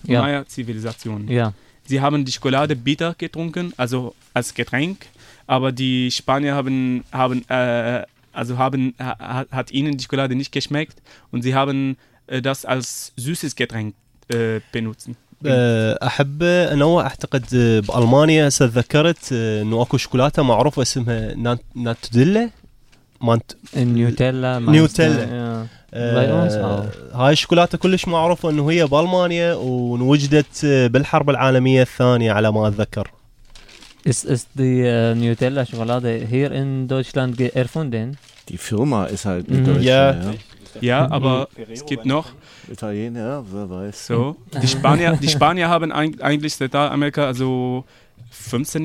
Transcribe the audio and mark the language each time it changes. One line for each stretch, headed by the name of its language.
German: Ja, ja. Maya Zivilisation. Ja. Sie haben die Schokolade bitter getrunken, also als Getränk, aber die Spanier hat ihnen die Schokolade nicht geschmeckt und sie haben das als süßes Getränk benutzt.
Arabic: احب انوع اعتقد بالمانيا ذكرت انه اكو شوكولاته معروفه اسمها ناتوديلا مانت نيوتيلا نيوتيلا هاي الشوكولاته كلش معروفه انه هي بالمانيا ونوجدت بالحرب العالميه الثانيه على ما اتذكر
German: ist die Nutella Schokolade hier in Deutschland erfunden die Firma ist halt eine deutsche Ja, aber es gibt noch Italiener, wer weiß. So, die Spanier haben eigentlich Zentralamerika also 15.